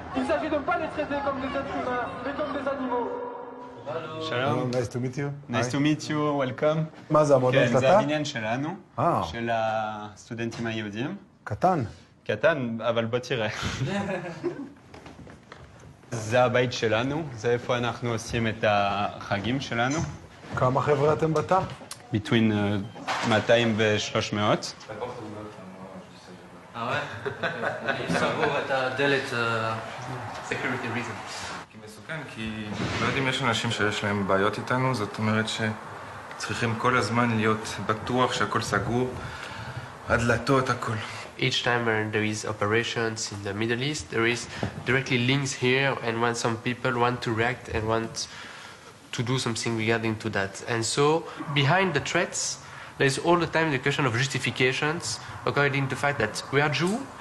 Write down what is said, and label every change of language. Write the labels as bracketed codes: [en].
[fr] Il s'agit de ne pas les traiter comme des êtres humains, mais comme des animaux. [en] Hello. Shalom. Hello, nice to meet you. Nice to meet you. Welcome. [he] מה זה המועדון שלך? כן, זה הבניין שלנו, של הסטודנטים היהודים. קטן. Katan, aval botire. זה הבית שלנו, זה איפה אנחנו עושים את החגים שלנו. כמה חבר'ה אתם בתא? [en] Between 200 ו-300. [he] לא יודעים, יש אנשים שיש להם בעיות איתנו, זאת אומרת שצריכים כל הזמן להיות בטוח שהכל סגור, הדלתות, הכל. [en] Each time when there is operations in the Middle East, there is directly links here, and when some people want to react and want to do something regarding to that. And so behind the threats, there is all the time the question of justifications according to the fact that we are Jew.